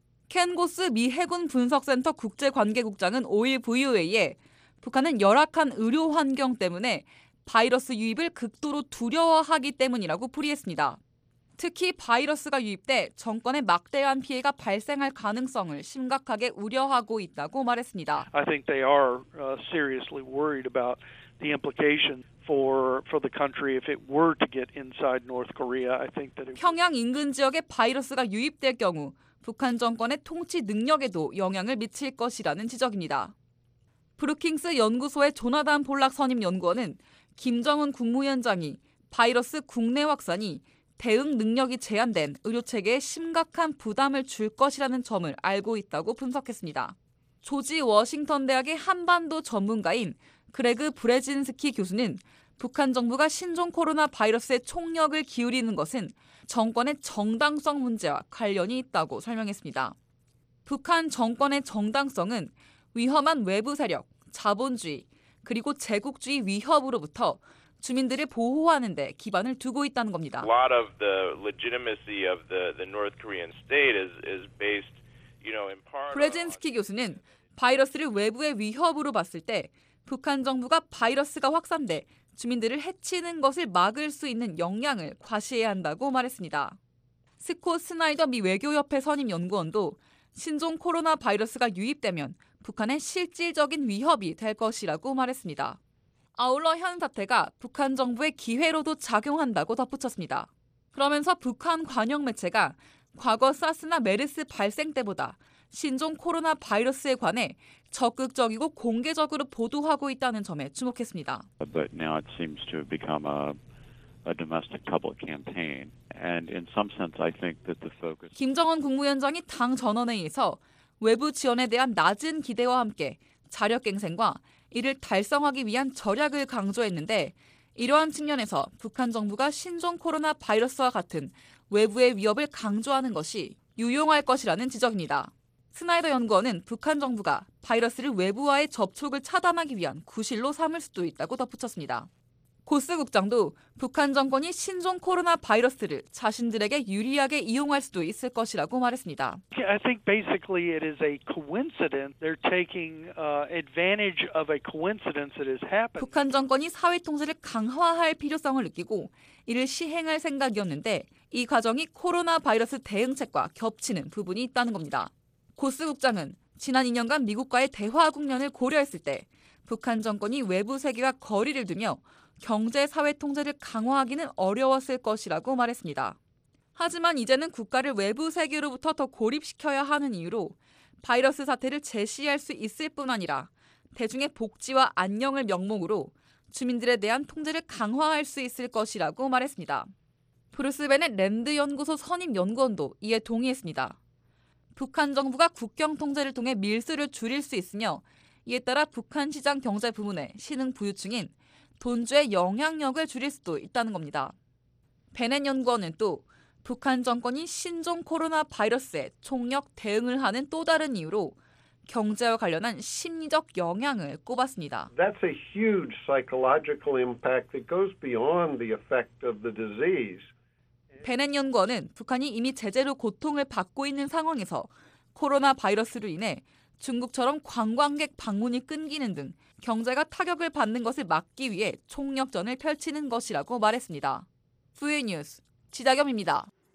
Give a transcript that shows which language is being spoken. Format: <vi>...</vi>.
<ko>켄 고스 미 해군 분석센터 국제관계국장은 5일 VOA에 북한은 열악한 의료 환경 때문에 바이러스 유입을 극도로 두려워하기 때문이라고 풀이했습니다. 특히 바이러스가 유입돼 정권에 막대한 피해가 발생할 가능성을 심각하게 우려하고 있다고 말했습니다.</ko> <en>I think they are seriously worried about the implication for the country if it were to get inside North Korea. I think that</en> <ko>평양 인근 지역에 바이러스가 유입될 경우 북한 정권의 통치 능력에도 영향을 미칠 것이라는 지적입니다. 브루킹스 연구소의 조나단 폴락 선임 연구원은 김정은 국무위원장이 바이러스 국내 확산이 대응 능력이 제한된 의료체계에 심각한 부담을 줄 것이라는 점을 알고 있다고 분석했습니다. 조지 워싱턴 대학의 한반도 전문가인 그레그 브레진스키 교수는 북한 정부가 신종 코로나 바이러스에 총력을 기울이는 것은 정권의 정당성 문제와 관련이 있다고 설명했습니다. 북한 정권의 정당성은 위험한 외부 세력, 자본주의, 그리고 제국주의 위협으로부터 주민들을 보호하는 데 기반을 두고 있다는 겁니다.</ko> <en>A lot of the legitimacy of the North Korean state is based, you know, in part.</en> <ko>브레진스키 교수는 바이러스를 외부의 위협으로 봤을 때 북한 정부가 바이러스가 확산돼 주민들을 해치는 것을 막을 수 있는 역량을 과시해야 한다고 말했습니다. 스콧 스나이더 미 외교협회 선임 연구원도 신종 코로나 바이러스가 유입되면 북한의 실질적인 위협이 될 것이라고 말했습니다. 아울러 현 사태가 북한 정부의 기회로도 작용한다고 덧붙였습니다. 그러면서 북한 관영 매체가 과거 사스나 메르스 발생 때보다 신종 코로나 바이러스에 관해 적극적이고 공개적으로 보도하고 있다는 점에 주목했습니다.</ko> <en>But now it seems to have become a domestic public campaign. And in some sense, I think that the focus.</en> <ko>김정은 국무위원장이 당 전원회의에서 외부 지원에 대한 낮은 기대와 함께 자력갱생과 이를 달성하기 위한 절약을 강조했는데 이러한 측면에서 북한 정부가 신종 코로나 바이러스와 같은 외부의 위협을 강조하는 것이 유용할 것이라는 지적입니다. 스나이더 연구원은 북한 정부가 바이러스를 외부와의 접촉을 차단하기 위한 구실로 삼을 수도 있다고 덧붙였습니다. 고스 국장도 북한 정권이 신종 코로나 바이러스를 자신들에게 유리하게 이용할 수도 있을 것이라고 말했습니다.</ko> <en>I think basically it is a coincidence. They're taking advantage of a coincidence that has happened.</en> <ko>북한 정권이 사회 통제를 강화할 필요성을 느끼고 이를 시행할 생각이었는데 이 과정이 코로나 바이러스 대응책과 겹치는 부분이 있다는 겁니다. 고스 국장은 지난 2년간 미국과의 대화 국면을 고려했을 때 북한 정권이 외부 세계와 거리를 두며 경제사회 통제를 강화하기는 어려웠을 것이라고 말했습니다. 하지만 이제는 국가를 외부 세계로부터 더 고립시켜야 하는 이유로 바이러스 사태를 제시할 수 있을 뿐 아니라 대중의 복지와 안녕을 명목으로 주민들에 대한 통제를 강화할 수 있을 것이라고 말했습니다. 브루스 베넷 랜드 연구소 선임 연구원도 이에 동의했습니다. 북한 정부가 국경 통제를 통해 밀수를 줄일 수 있으며 이에 따라 북한 시장 경제 부문의 신흥 부유층인 돈주의 영향력을 줄일 수도 있다는 겁니다. 베넷 연구원은 또 북한 정권이 신종 코로나 바이러스에 총력 대응을 하는 또 다른 이유로 경제와 관련한 심리적 영향을 꼽았습니다.</ko> <en>That's a huge psychological impact that goes beyond the effect of the disease.</en> <ko>베넷 연구원은 북한이 이미 제재로 고통을 받고 있는 상황에서 코로나 바이러스로 인해 중국처럼 관광객 방문이 끊기는 등 경제가 타격을 받는 것을 막기 위해 총력전을 펼치는 것이라고 말했습니다. 후유 뉴스 지다겸입니다.</ko>